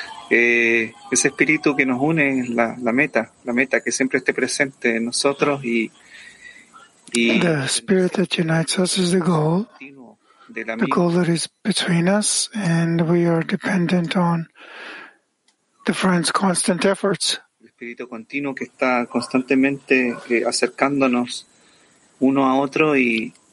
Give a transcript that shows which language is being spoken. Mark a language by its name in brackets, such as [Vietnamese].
[Spanish] Ese espíritu que nos une es la meta que siempre esté presente en nosotros y [English] the spirit that unites us is the goal. The goal that is between us, and we are dependent on the friend's constant efforts. [Spanish] El espíritu continuo que está constantemente acercándonos uno a otro y